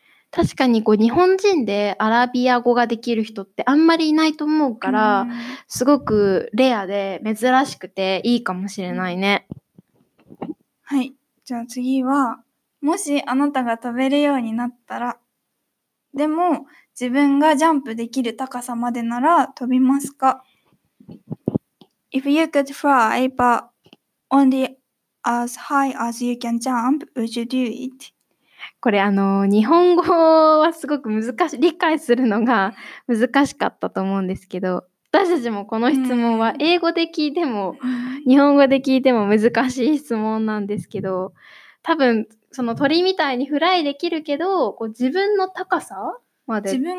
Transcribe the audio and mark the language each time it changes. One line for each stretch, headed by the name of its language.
Japanese: 確かに、こう、日本人でアラビア語ができる人ってあんまりいないと思うから、すごくレアで珍しくていいかもしれないね。はい。じゃあ次は、もしあなたが飛べるようになったら、でも自分がジャンプできる高さまでなら飛びますか？
English: If you could fly, but only as high as you can jump, would you do it?
Japanese: これ日本語はすごく難しい、理解するのが難しかったと思うんですけど、私たちもこの質問は英語で聞いても、日本語で聞いても難しい質問なんですけど、多分、その鳥みたいにフライできるけど、こう自分の高さまで。